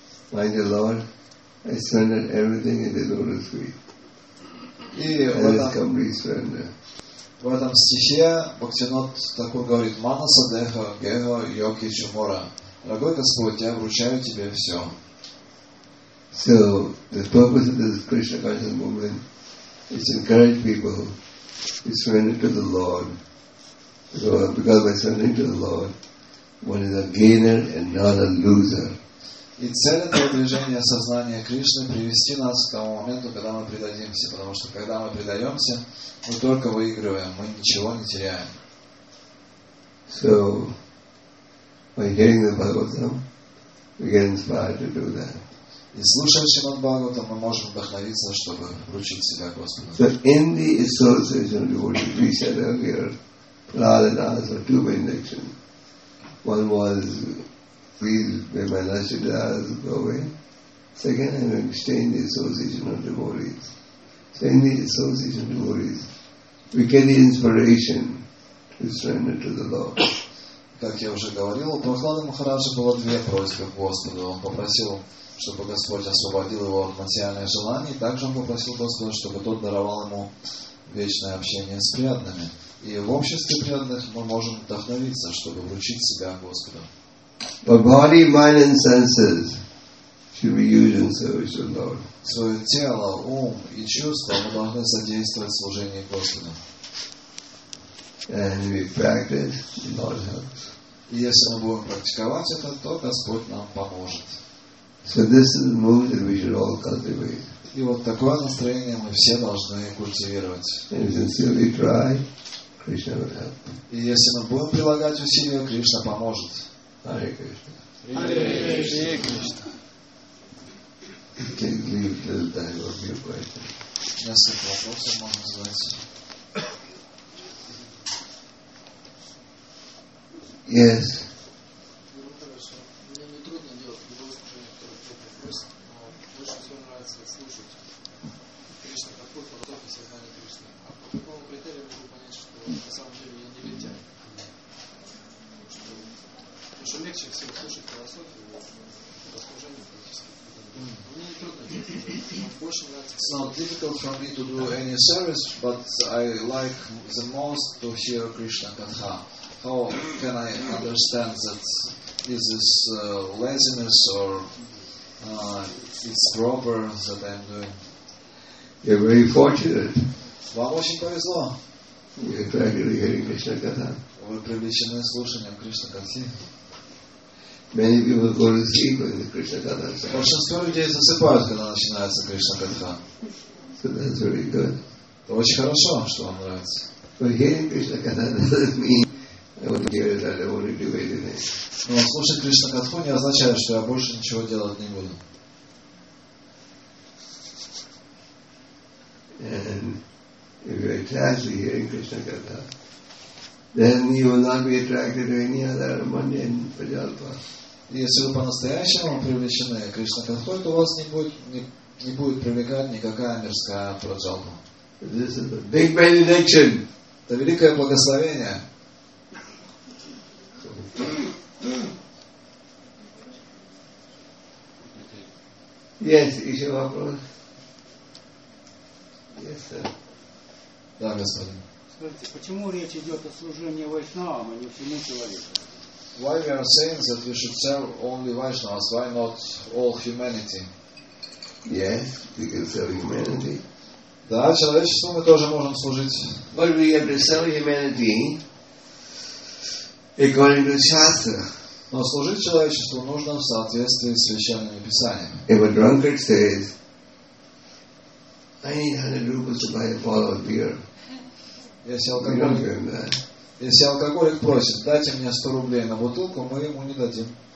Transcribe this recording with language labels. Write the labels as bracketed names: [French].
[English] My dear Lord, I surrender everything in the Lord's feet. And it's complete surrender. [Russian] В этом стихе Бхактинот Такур говорит: «Манаса деха гео йоки чумора». Дорогой Господь, я вручаю тебе все. [English] So the purpose of this Krishna conscious movement is to encourage people to surrender to the Lord. So because by surrendering to the Lord, one is a gainer and not a loser. [Russian] И цель этого движения сознания Кришны привести нас к тому моменту, когда мы предадимся, потому что когда мы предаемся, мы только выигрываем, мы ничего не теряем. [English] So by hearing the Bhagavatam, we get inspired to do that. [Russian] И слушая Шримад Бхагаватам, мы можем вдохновиться, чтобы вручить себя Господу. [English] So in the association of devotees, we said earlier, Prada and others are two benedictions. One was, please may my lashed eyes go away. Second, I will stay in the association of devotees. So in the association of devotees, we get the inspiration to surrender to the Lord. [Russian] Как я уже говорил, у Прохлады Махараджа было две просьбы к Господу. Он попросил, чтобы Господь освободил его от материальных желаний, и также он попросил Господа, чтобы тот даровал ему вечное общение с преданными. И в обществе преданных мы можем вдохновиться, чтобы вручить себя Господу. [English] But body, mind and senses should be used in service of Lord. [Russian] Свое тело, ум и чувства мы должны содействовать в служении Господу. [English] And we practice, the Lord helps. [Russian] И если мы будем практиковать это, то Господь нам поможет. [English] So this is the mood that we should all cultivate. [Russian] И вот такое настроение мы все должны культивировать. [English] And sincerely try, Krishna will help. [Russian] И если мы будем прилагать усилия, Кришна поможет. [English] Hare Krishna. Hare Krishna. You can leave till time of your question. [Russian] Несколько вопросов можно задать. [English] Yes. It's not difficult for me to do any service, but I like the most to hear Krishna Katha. How can I understand that is this laziness or it's proper that I'm doing? You're very fortunate. [Russian] Вам очень повезло. [English] You're regularly hearing Krishna Katha. [Russian] Вы привлечены слушанием Кришна Катхи. [English] Many people go to sleep when the Krishna Katha starts. [Russian] Большинство людей засыпают, когда начинается Кришна Катха. [English] So that's very good. [Russian] Это очень хорошо, что вам нравится. [English] But hearing Krishna Katha doesn't mean I want to hear it, I want to do anything. [Russian] Но слушать Кришна Катху не означает, что я больше ничего делать не буду. [English] And if you're attached to hearing Krishna Katha, then you will not be attracted to any other mundane prajalpa. [Russian] Если вы по-настоящему привлечены к Кришна Катху, то у вас не будет привлекать никакая мирская праджалпа. [English] This is a big benediction. [Russian] Это великое благословение. Yes, еще вопрос? [English] Yes, sir. [Russian] Да, господин. Скажите, почему речь идет о служении вайшнавам, а не всему человеку? [English] Why we are saying that we should serve only Vaishnavas? Why not all humanity? Yes, we can serve humanity. [Russian] Да, человечеству мы тоже можем служить. [English] But we have to serve humanity according to Shastra. [Russian] Но служить человечеству нужно в соответствии с священными писаниями. [English] If a drunkard says, I need 100 rubles to buy a bottle of beer. [Russian] Если алкоголик просит, дайте мне 100 рублей на бутылку, мы ему не дадим.